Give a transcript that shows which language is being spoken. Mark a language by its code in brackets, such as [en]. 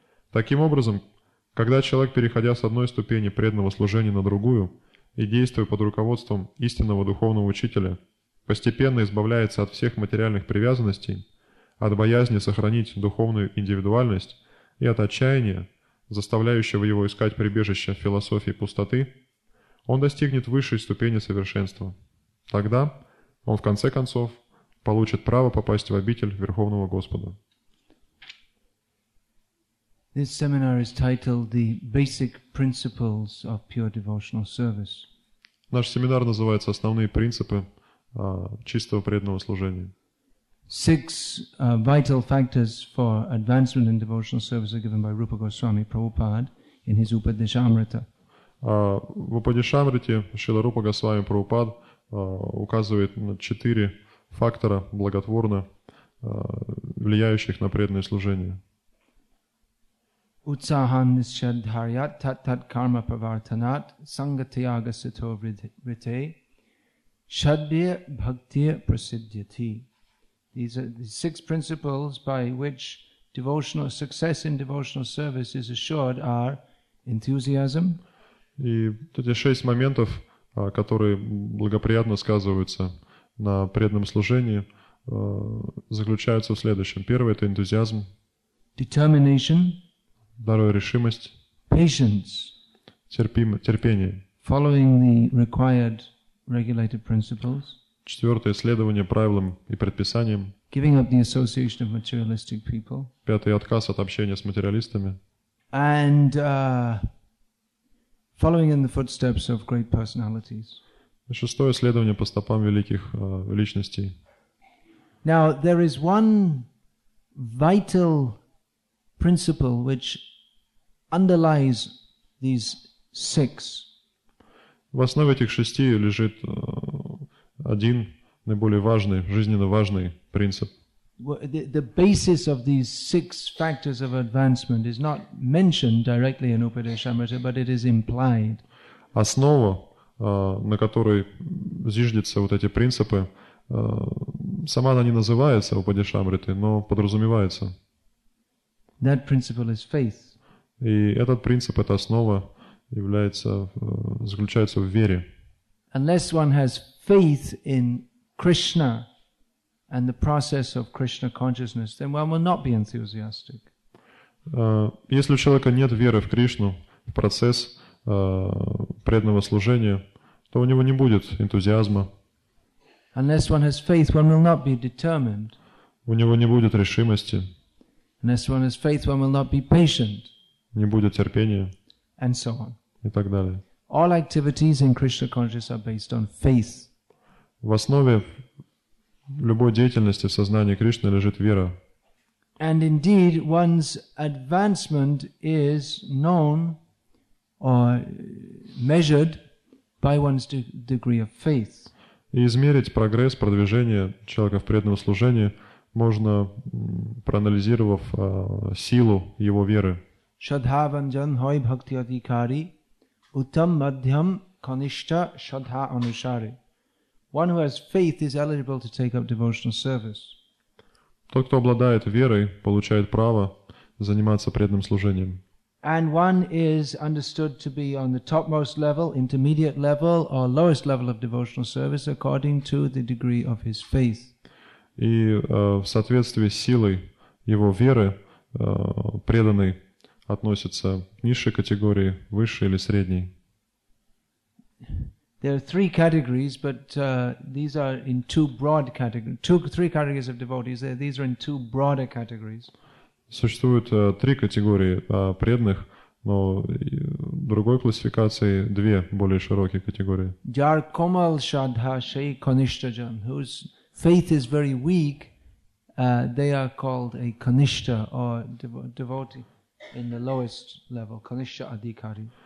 [ru] Таким образом, когда человек, переходя с одной ступени преданного служения на другую и действуя под руководством истинного духовного учителя, постепенно избавляется от всех материальных привязанностей, от боязни сохранить духовную индивидуальность и от отчаяния, заставляющего его искать прибежище в философии пустоты, он достигнет высшей ступени совершенства. Тогда он в конце концов получит право попасть в обитель Верховного Господа. [en] This seminar is titled The Basic Principles of Pure Devotional Service. [ru] Наш семинар называется «Основные принципы чистого преданного служения». [en] Six vital factors for advancement in devotional service are given by Rupa Goswami Prabhupada in his Upadeshamrita. [ru] В Упадешамрите Шрила Рупа Госвами Прабхупад указывает на четыре фактора, благотворно влияющих на преданное служение. [sa] Utsahan nischadharyat tat tat karma pravartanat sangatyaga sito vritte shadbir bhaktir prasidyati. [en] These are the six principles by which devotional success in devotional service is assured are enthusiasm. [ru] И эти шесть моментов, которые благоприятно сказываются на преданном служении, заключаются в следующем. Первое — это энтузиазм. [en] Determination. [ru] Здоровая решимость. [en] Patience. [ru] Терпение. [en] Following the required regulated principles. [ru] Четвертое — следование правилам и предписаниям. [en] Giving up the association of materialistic people. [ru] Пятое — отказ от общения с материалистами. [en] And following in the footsteps of great personalities. [ru] Шестое — следование по стопам великих личностей. [en] Now there is one vital principle which underlies these six. [ru] В основе этих шести лежит один наиболее важный, жизненно важный принцип. [en] The basis of these six factors of advancement is not mentioned directly in Upadeshamrita, but it is implied. [ru] Основа, на которой зиждятся вот эти принципы, сама она не называется Упадешамрите, но подразумевается. [en] That principle is faith. [ru] И этот принцип, эта основа, является, заключается в вере. [en] Unless one has faith in Krishna and the process of Krishna consciousness, then one will not be enthusiastic. [ru] Если у человека нет веры в Кришну, в процесс преданного служения, то у него не будет энтузиазма. [en] Unless one has faith, one will not be determined. [ru] У него не будет решимости. [en] Unless one has faith, one will not be patient. [ru] Не будет терпения. [en] And so on. [ru] И так далее. [en] All activities in Krishna consciousness are based on faith. [ru] В основе любой деятельности в сознании Кришны лежит вера. [en] And indeed, one's advancement is known or measured by one's degree of faith. [ru] И измерить прогресс, продвижение человека в преданном служении можно, проанализировав силу его веры. [sa] Shadhavanjan hoy bhakti adhikari uttam madhyam kanishta shadha anushare. [en] One who has faith is eligible to take up devotional service. [ru] Тот, кто обладает верой, получает право заниматься преданным служением. [en] And one is understood to be on the topmost level, intermediate level, or lowest level of devotional service according to the degree of his faith. [ru] И в соответствии с силой его веры, преданный относится к низшей категории, высшей или средней. [en] There are three categories, but these are in two broad categories. Three categories of devotees. These are in two broader categories. [ru] Существует три категории преданных, но другой классификации две более широкие категории. [sa] Jar komal shadha shay kanishta jan, [en] whose faith is very weak, they are called a kanishta or devotee in the lowest level, kanishta adhikari.